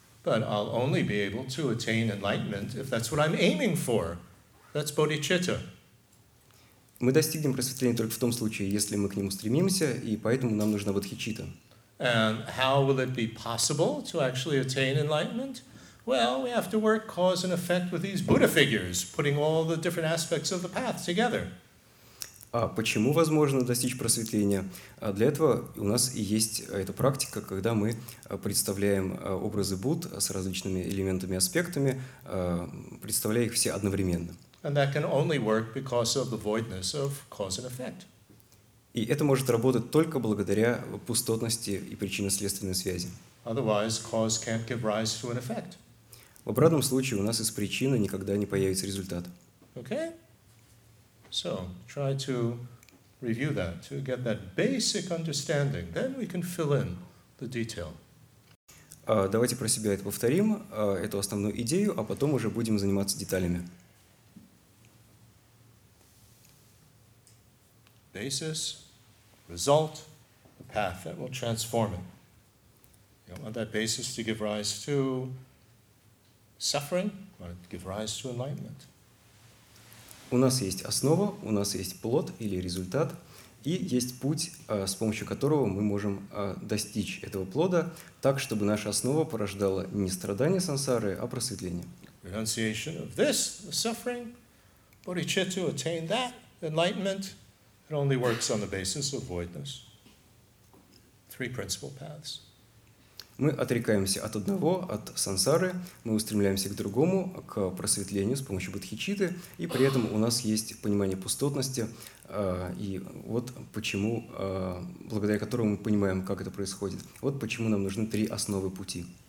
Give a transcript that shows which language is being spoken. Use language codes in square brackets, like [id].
[en] But I'll only be able to attain enlightenment if that's what I'm aiming for. That's bodhicitta. [ru] Мы достигнем просветления только в том случае, если мы к нему стремимся, и поэтому нам нужна бодхичитта. [en] And how will it be possible to actually attain enlightenment? Well, we have to work cause and effect with these Buddha figures, putting all the different aspects of the path together. [ru] А почему возможно достичь просветления? Для этого у нас и есть эта практика, когда мы представляем образы Будд с различными элементами, аспектами, представляя их все одновременно. [en] And that can only work because of the voidness of cause and effect. [ru] И это может работать только благодаря пустотности и причинно-следственной связи. [en] Otherwise, cause can't give rise to an effect. [ru] В обратном случае у нас из причины никогда не появится результат. [en] Okay. So, try to review that, to get that basic understanding. Then we can fill in the detail. [ru] Давайте про себя это повторим, эту основную идею, а потом уже будем заниматься деталями. [en] Basis, result, the path that will transform it. You don't want that basis to give rise to suffering, you want it to give rise to enlightenment. [ru] У нас есть основа, у нас есть плод или результат, и есть путь, с помощью которого мы можем достичь этого плода так, чтобы наша основа порождала не страдания сансары, а просветление. [en] Renunciation of this, the suffering, bodhicitta attain that, enlightenment, it only works on the basis of voidness. Three principal paths. [ru] Мы отрекаемся от одного, от сансары, мы устремляемся к другому, к просветлению с помощью бодхичитты, и при этом у нас есть понимание пустотности, и вот почему, благодаря которому мы понимаем, как это происходит, вот почему нам нужны три основы пути.